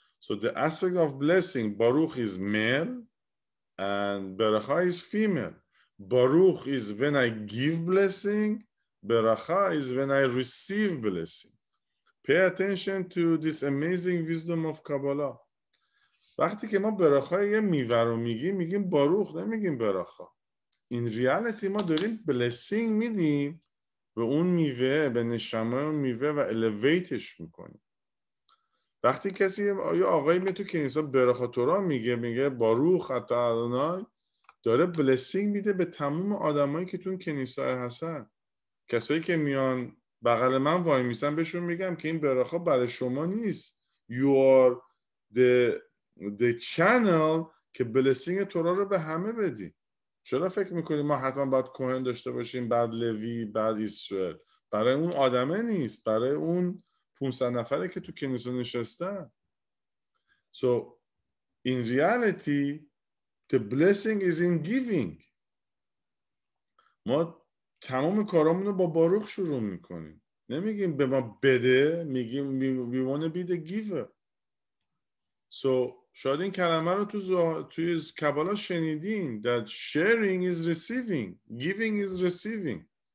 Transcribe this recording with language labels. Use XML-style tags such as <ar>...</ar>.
<en>So the aspect of blessing, Baruch is male and Berakha is female. Baruch is when I give blessing, Berakha is when I receive blessing. Pay attention to this amazing wisdom of Kabbalah.</en> <fa>وقتی که ما Berakha یه میوه رو میگیم، میگیم Baruch، نمیگیم Berakha. In reality ما داریم blessing میدیم به اون میوه، به نشمه اون میوه و elevateش میکنیم. وقتی کسی یا آقایی میاد تو کنیسا برخا تورا میگه، میگه باروخ اتا ادونای، داره بلسینگ میده به تمام آدمایی که تو کنیسا هستن. کسایی که میان بغل من وای میسن بهشون میگم که این برخا برای شما نیست. You are the channel که بلسینگ تورا رو به همه بدی. چرا فکر میکنی ما حتما باید کوهن داشته باشیم، بعد لوی، بعد اسرائیل؟ برای اون آدمه نیست، برای اون 500 نفره که تو کنیسا نشستن.</fa> <en>So in reality the blessing is in giving.</en> <fa>ما تمام کارامونو با باروخ شروع میکنیم، نمیگیم به ما بده، میگیم we want to be the giver. So شاید این کلمه رو توی کبالا شنیدین، that sharing is receiving, giving is receiving.</fa>